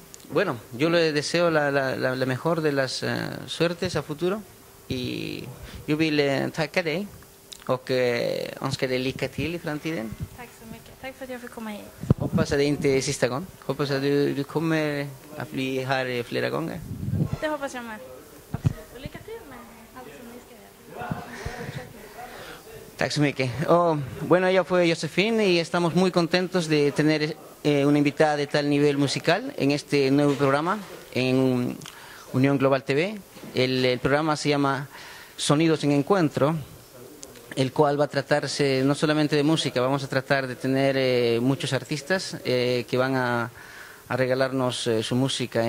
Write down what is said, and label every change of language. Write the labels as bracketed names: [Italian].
[Spanish] Bueno, yo le deseo la mejor de las suertes a futuro. Y yo [Swedish] vi le tacka dig och önska dig lycka till i framtiden. Tack så mycket. Tack för att jag fick komma hit. Hoppas att det inte är sista gången. Hoppas att du kommer att bli här flera gånger. Det hoppas jag med. Absolut. Och lycka till med allt som ni ska göra. Tack så mycket. [Spanish] Och bueno, ella fue Josefin y estamos muy contentos de tener una invitada de tal nivel musical en este nuevo programa en Unión Global TV. El programa se llama Sonidos en Encuentro, el cual va a tratarse no solamente de música, vamos a tratar de tener muchos artistas que van a regalarnos su música.